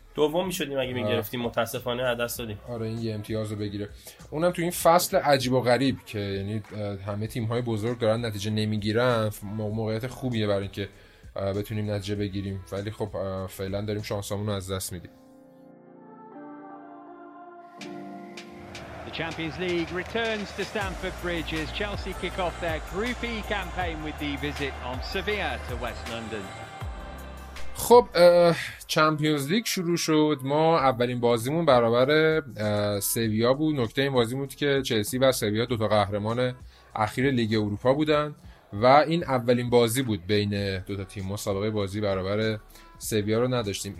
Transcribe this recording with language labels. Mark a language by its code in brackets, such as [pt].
[fa] دوم میشدیم اگه میگرفتیم، متاسفانه از دست دادیم. آره این یه امتیاز رو بگیره، اونم تو این فصل عجیب و غریب که یعنی همه تیم‌های بزرگ دارن نتیجه نمیگیرن، موقعیت خوبیه برای اینکه بتونیم نتیجه بگیریم، ولی خب فعلا داریم شانسامون رو از دست میدیم. [en] Champions League returns to Stamford Bridge as Chelsea kick off their Group E campaign with the visit on Sevilla to West London. [fa] خب چمپیونز لیگ شروع شد، ما اولین بازیمون برابر سویا بود. نکته این بازی بود که چلسی و سویا دوتا قهرمان اخیر لیگ اروپا بودن و این اولین بازی بود بین دوتا تیم، مسابقه بازی برابر سویا رو نداشتیم.